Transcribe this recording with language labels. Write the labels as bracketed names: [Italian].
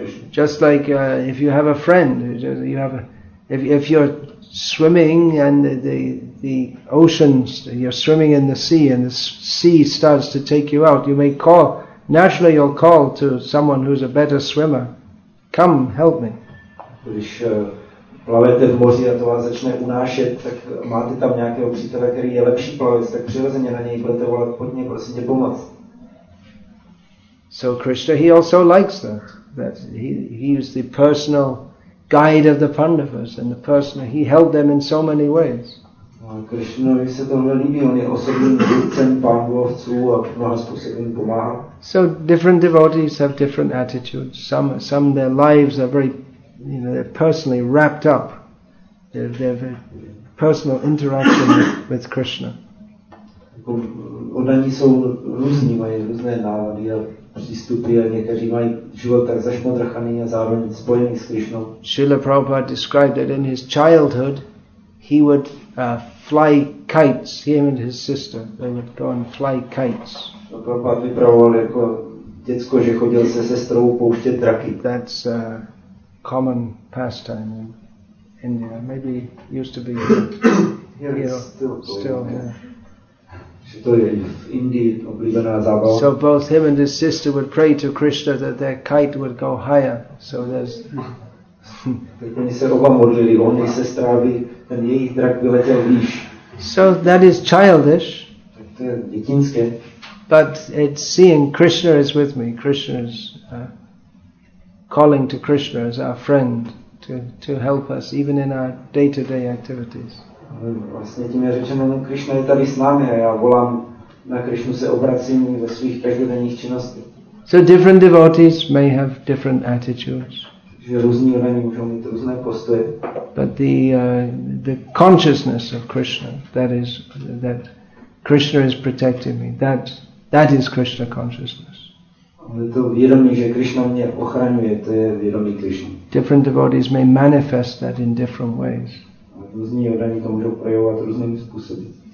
[English] Just like if you have a friend, if you're swimming and the oceans, you're swimming in the sea and the sea starts to take you out, you may call. Naturally, you'll call to someone who's a better swimmer. Come, help me. [Czech] Když plavete v moři a to vás začne unášet, tak máte tam nějakého přítele, který je lepší plavec, tak přirozeně na něj budete volat, pojď mě, prosím tě, pomoct. [English] So Krishna, he also likes that. That he is the personal guide of the Pandavas and the personal, he helped them in so many ways. [Czech] Krishnovi se tohle líbí, on je osobním vůdcem pánovců a mnoha způsobem pomáhá. [English] So different devotees have different attitudes. Some their lives are very, you know, they're personally wrapped up. They have a personal interaction with Krishna. [Czech] Oddaní jsou různí, mají různé nálady a přístupy a někteří mají život tak zašmodrchaný a zároveň spojený s Krishnou. [English] Srila Prabhupada described that in his childhood, he would fly kites, him and his sister, they would go and fly kites. [Czech] Prabhupada vypravoval jako děcko, že chodil se sestrou pouštět draky. [English] That's a common pastime in India. Maybe used to be still here. [Czech] Že to je v Indii oblíbená zábava. [English] So both him and his sister would pray to Krishna that their kite would go higher. So there's... [Czech] Oni se oba modlili, on i sestra, aby ten jejich drak vyletěl výš. [English] So that is childish. [Czech] Tak to je dětinské. [English] But it's seeing Krishna is with me. Krishna is calling to Krishna as our friend to help us even in our day-to-day activities. [Czech] Vlastně tím je řečeno, že Krishna je tady s námi a já volám na Krishnu, se obracím ve svých každodenních činnostech. [English] So different devotees may have different attitudes. [Czech] Různí lidé můžou mít různé postoje. [English] But the consciousness of Krishna, that is that Krishna is protecting me. That is Krishna consciousness. [Czech] To vědomí, že Krishna mě ochraňuje, to je vědomí Krishna. [English] Different devotees may manifest that in different ways. [Czech] Různí lidé to můžou projevovat různými způsoby.